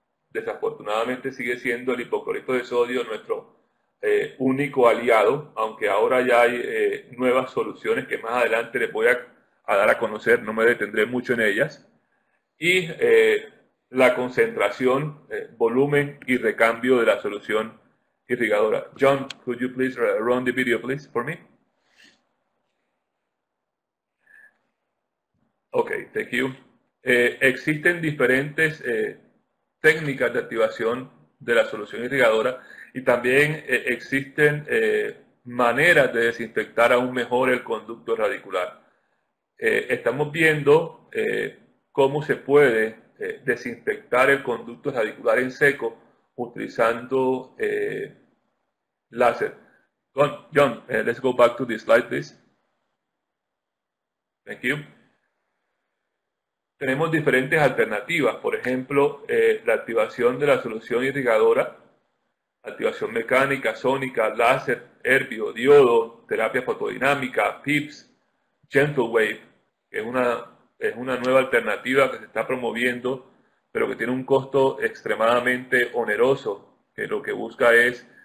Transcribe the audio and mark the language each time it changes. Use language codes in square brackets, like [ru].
[es] Desafortunadamente sigue siendo el hipoclorito de sodio nuestro único aliado, aunque ahora ya hay nuevas soluciones que más adelante les voy a dar a conocer, no me detendré mucho en ellas. Y la concentración, volumen y recambio de la solución irrigadora. [en] John, could you please run the video, please, for me? Ok, thank you. [es] Existen diferentes técnicas de activación de la solución irrigadora y también existen maneras de desinfectar aún mejor el conducto radicular. Estamos viendo cómo se puede desinfectar el conducto radicular en seco utilizando láser. [en] John, let's go back to this slide, please. Thank you. [es] Tenemos diferentes alternativas, por ejemplo, la activación de la solución irrigadora, activación mecánica, sónica, láser, erbio, diodo, terapia fotodinámica, PIPS, GentleWave, que es una nueva alternativa que se está promoviendo, pero que tiene un costo extremadamente oneroso, que lo que busca es